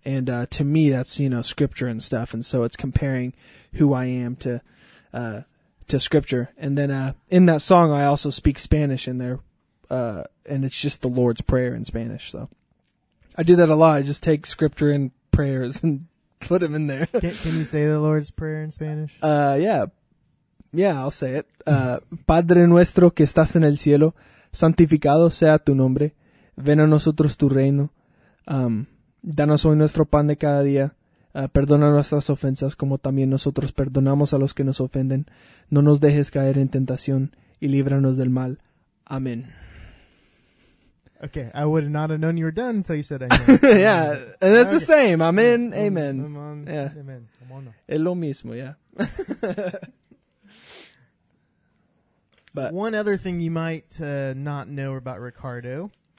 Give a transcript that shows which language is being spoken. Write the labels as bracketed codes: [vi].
[en] And, to me, that's, you know, scripture and stuff. And so it's comparing who I am to scripture. And then, in that song, I also speak Spanish in there. And it's just the Lord's Prayer in Spanish. So I do that a lot. I just take scripture and prayers and put them in there. Can you say the Lord's Prayer in Spanish? Yeah, I'll say it. [es] Padre nuestro que estás en el cielo, santificado sea tu nombre. Ven a nosotros tu reino. Danos hoy nuestro pan de cada día, Perdona nuestras ofensas como también nosotros perdonamos a los que nos ofenden. No nos dejes caer en tentación y líbranos del mal. Amén. [en] Okay, I would not have known you were done until you said amen. Yeah, and it's okay. The same. Amen, amen. Amen, yeah. Amen. [es] Es lo mismo, yeah. [en] But one other thing you might not know about Ricardo.